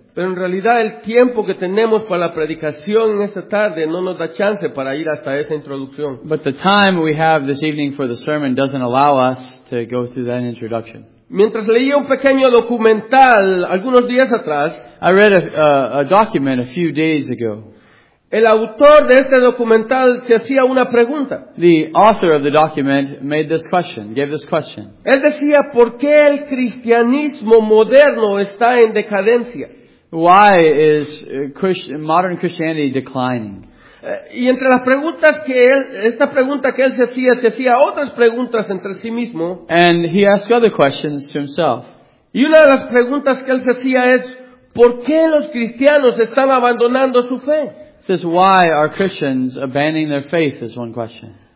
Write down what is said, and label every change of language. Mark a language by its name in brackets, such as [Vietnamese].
[Spanish] Pero en realidad el tiempo que tenemos para la predicación esta tarde no nos da chance para ir hasta esa introducción. [English] But the time we have this evening for the sermon doesn't allow us to go through that introduction. [Spanish] Mientras leía un pequeño documental algunos días atrás, [English] I read a document a few days ago. [Spanish] El autor de este documental se hacía una pregunta. [English] The author of the document made this question, gave this question. [Spanish] Él decía, ¿por qué el cristianismo moderno está en decadencia? [English] Why is modern Christianity declining? [Spanish] Y entre las preguntas que él, esta pregunta que él se hacía otras preguntas entre sí mismo. [English] And he asked other questions to himself. [Spanish] Y una de las preguntas que él se hacía es, ¿por qué los cristianos están abandonando su fe? [English] Says, why are Christians abandoning their faith is one question.